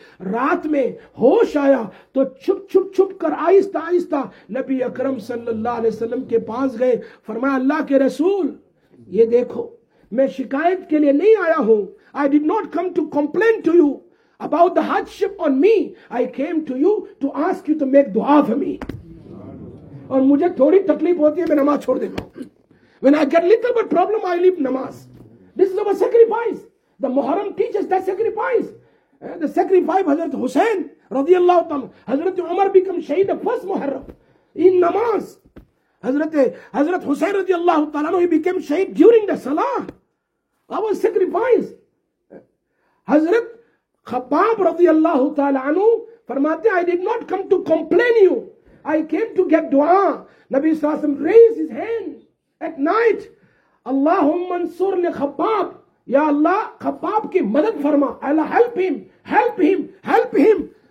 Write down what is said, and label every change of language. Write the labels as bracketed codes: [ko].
[hi] रात में होश आया तो छुप छुप छुप कर आहिस्ता आहिस्ता नबी अकरम सल्लल्लाहु अलैहि वसल्लम के पास गए। फरमाया अल्लाह के रसूल ये देखो मैं शिकायत के लिए नहीं आया हूं, [en] I did not come to complain to you about the hardship on me. I came to you to ask you to make dua for me. [hi] और मुझे थोड़ी तकलीफ होती है मैं नमाज छोड़ देता हूँ। [en] When I get little bit problem, I leave namaz. This is our sacrifice. The Muharram teaches that sacrifice. The sacrifice Hazrat Hussain radiallahu ta'ala, Hazrat Umar become shaheed the first Muharram in namaz. Hazrat Hussain radiallahu ta'ala, he became shaheed during the salah. Our sacrifice. [hi] Hazrat Khabbab रजी अल्लाह तआला अनु फरमाते [en] I did not come to complain you, I came to get दुआ। [hi] नबी सल्लल्लाहु अलैहि वसल्लम [en] raise his hand at night, [ar] अल्लाहुम्मा नसुर ले खब्बाब, [hi] या अल्लाह खब्बाब की मदद फरमा, अल्लाह [en] Help him help him help him.